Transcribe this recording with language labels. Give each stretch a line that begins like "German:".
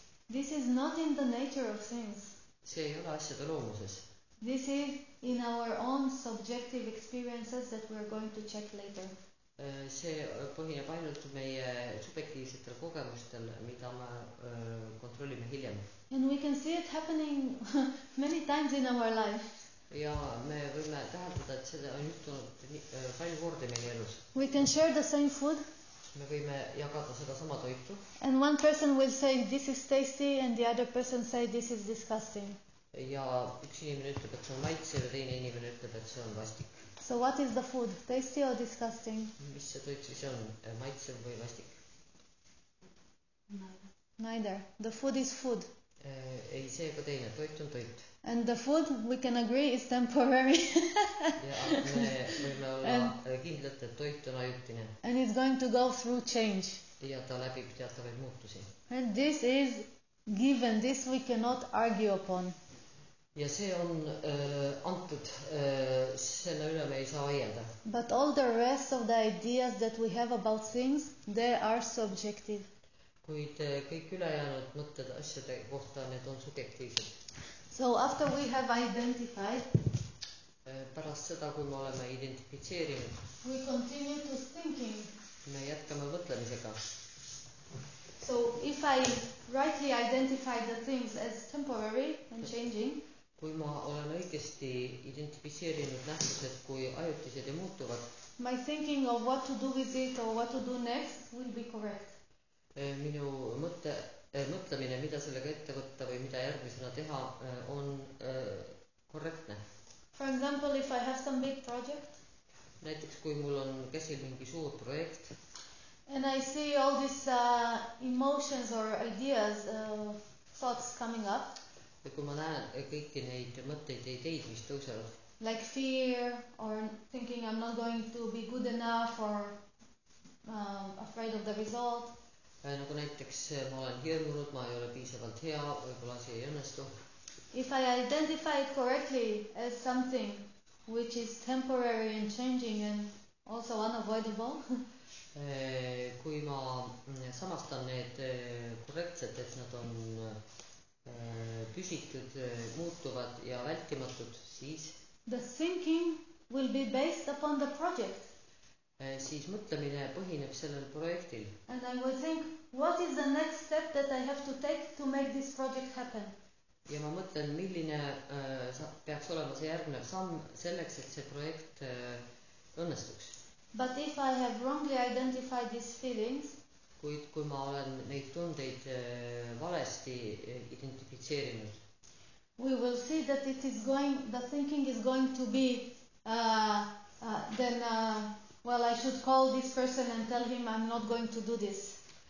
English: this is not in the nature of things.
Estonian: See ei ole asjade loomuses.
English: This is in our own subjective experiences that we are going to check later.
Estonian: See põhineb ainult meie subjektiivsetel kogemustel, mida me kontrollime hiljem.
English: And we can see it happening many times in our life.
Estonian: Ja me võime täheldada, et seda on juhtunud palju kordi meie elus.
English: We can share the same food.
Estonian: Me võime jagada seda sama toitu.
English: And one person will say this is tasty and the other person say this is disgusting.
Estonian: Ja üks inimene ütleb, et see on maitse ja teine inimene ütleb, et see on vastik.
English: So what is the food? Tasty or disgusting?
Estonian: Mis see toit siis on? Maitse või vastik?
English: Neither. The food is food.
Estonian: Ei, see ka teine. Toit on toit.
English: And the food, we can agree, is temporary.
Estonian: Ja me võime olla kindlalt, et toit on ajutine.
English: And it's going to go through change.
Estonian: Ja ta läbib teatavaid muutusi.
English: And this is given. This we cannot argue upon.
Estonian: Ja see on antud, selle üle me ei saa vaielda.
English: But all the rest of the ideas that we have about things, they are subjective.
Estonian: Kuid kõik ülejäänud mõtted asjade kohta, need on subjektiivsed.
English: So after we have identified,
Estonian: pärast seda, kui me oleme identifitseerinud,
English: we continue to thinking.
Estonian: Me jätkame mõtlemisega.
English: So if I rightly identify the things as temporary and changing,
Estonian: kui ma olen õigesti identifiseerinud nähtused kui ajutised ja muutuvad,
English: my thinking of what to do with it or what to do next will be correct.
Estonian: Minu mõtlemine, mida sellega ette võtta või mida järgmisena teha, on korrektne.
English: For example, if I have some big project.
Estonian: Näiteks kui mul on käsil mingi suur projekt.
English: And I see all these emotions or ideas, thoughts coming up.
Estonian: Ja kui ma näen kõiki neid mõtteid ja ideid, mis tõusevad.
English: Like fear or thinking I'm not going to be good enough or afraid of the result.
Estonian: Ja nagu näiteks ma olen hirmunud, ma ei ole piisavalt hea, võibolla see ei õnnestu.
English: If I identify it correctly as something which is temporary and changing and also unavoidable.
Estonian: Kui ma samastan need korrektselt, et nad on püsitud, muutuvad ja vältimatud, siis
English: the thinking will be based upon the project.
Estonian: Siis mõtlemine põhineb sellel projektil.
English: And I will think, what is the next step that I have to take to make this project happen?
Estonian: Ja ma mõtlen, milline peaks olema see järgnev samm selleks, et see projekt õnnestuks.
English: But if I have wrongly identified these feelings,
Estonian: kuid kui ma olen neid tundeid valesti identifitseerinud,
English: we will see that it is going, the thinking is going to be, then, well, I should call this person and tell him I'm not going to do this.